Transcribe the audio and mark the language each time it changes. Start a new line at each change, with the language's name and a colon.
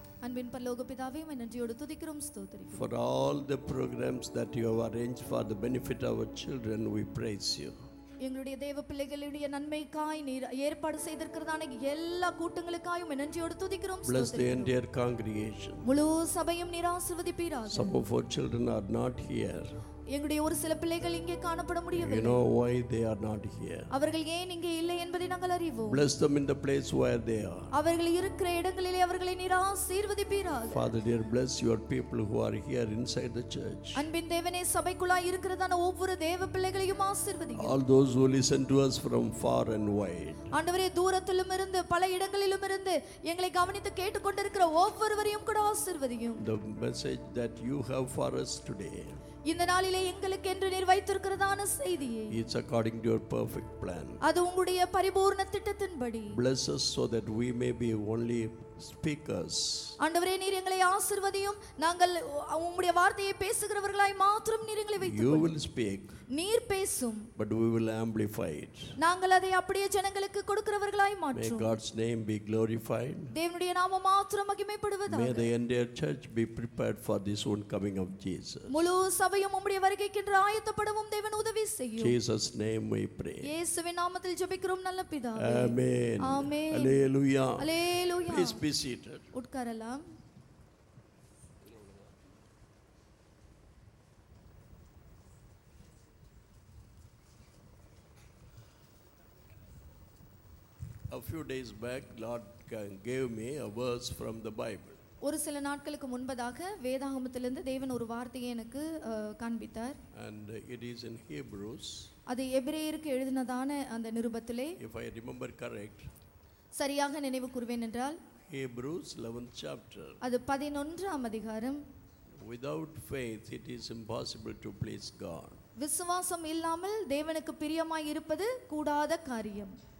Tamil: அன்பின் பரலோக பிதாவே, நம்மை நன்றியோடு துதிக்கிறோம், ஸ்தோத்திரிக்கிறோம்.
English: For all the programs that you have arranged for the benefit of our children, we praise you.
Tamil: எங்களுடைய தேவ பிள்ளைகளுடைய நன்மைக்காய் நீர் ஏற்பாடு செய்திருக்கிறதான எல்லா கூட்டங்களுக்காயும் நன்றியோடு துதிக்கிறோம், ஸ்தோத்திரிக்கிறோம்.
English: Bless the entire congregation.
Tamil: முழு சபையும் நீர் ஆசீர்வதிப்பீராக.
English: Some of our children are not here.
Tamil: எங்களுடைய ஒரு சில பிள்ளைகள் இங்கே காணப்பட முடியவில்லை.
English: You know why they are not here.
Tamil: அவர்கள் ஏன் இங்கே இல்லை என்பதை நாங்கள் அறிவோம்.
English: Bless them in the place where they are.
Tamil: அவர்கள் இருக்கிற இடங்களிலே அவர்களை நீர் ஆசீர்வதிப்பீராக.
English: Father dear, bless your people who are here inside the church.
Tamil: அன்பின் தேவனே, சபைக்குள்ளாய் இருக்கிறதான ஒவ்வொரு தேவ பிள்ளைகளையும் ஆசீர்வதியும்.
English: All those who listen to us from far and wide.
Tamil: ஆண்டவரே, தூரத்திலும் இருந்து பல இடங்களிலும் இருந்து எங்களை கவனித்து கேட்டுக்கொண்டிருக்கிற ஒவ்வொருவரையும் கூட ஆசீர்வதியும்.
English: The message that you have for us today.
Tamil: இந்த நாளிலே எங்களுக்கு என்று நீர் வைத்திருக்கிறதான செய்தியே.
English: It's according to your perfect plan.
Tamil: அது உங்களுடைய பரிபூர்ண திட்டத்தின்படி.
English: Bless us so that we may be only speakers.
Tamil: ஆண்டவரே, நீர் எங்களை ஆசீர்வதியும், நாங்கள் உம்முடைய வார்த்தையை பேசுகிறவர்களாய் மாத்திரம் நீர் எங்களை வைத்துக்
English: கொள். You will speak.
Tamil: நீர் பேசும்.
English: But we will amplify it.
Tamil: நாங்கள் அதை அப்படியே ஜனங்களுக்கு கொடுக்கிறவர்களாய் மாற்றும்.
English: May God's name be glorified.
Tamil: தேவனுடைய நாமம் மாத்திரம் மகிமைப்படுவதாக.
English: May the entire church be prepared for this one coming of Jesus.
Tamil: முழு சபையும் உம்முடைய வருகைக்கு என்று ஆயத்தப்படவும் தேவன் உதவி செய்யும்.
English: Jesus name we pray.
Tamil: இயேசுவின் நாமத்தில் ஜெபிக்கிறோம் நல்ல பிதாவே. Amen. Amen. Hallelujah. Hallelujah.
English: Please be seated.
Tamil: உட்காரலாம்.
English: A few days back, Lord gave me a verse from the Bible.
Tamil: ஒரு சில நாட்களுக்கு முன்பதாக வேதாகமத்திலிருந்து தேவன் ஒரு வார்த்தையை எனக்கு காண்பித்தார்.
English: And it is in Hebrews.
Tamil: அது எபிரேயருக்கு எழுதினதான அந்த நிருபத்திலே.
English: If I remember correct.
Tamil: சரியாக நினைவு கூர்வேன் என்றால்
English: Hebrews 11th chapter.
Tamil: அது 11 ஆம் அதிகாரம்.
English: Without faith, it is impossible to please God.
Tamil: விசுவாசம் இல்லாமல் தேவனுக்கு பிரியமாய் இருப்பது கூடாத காரியம்.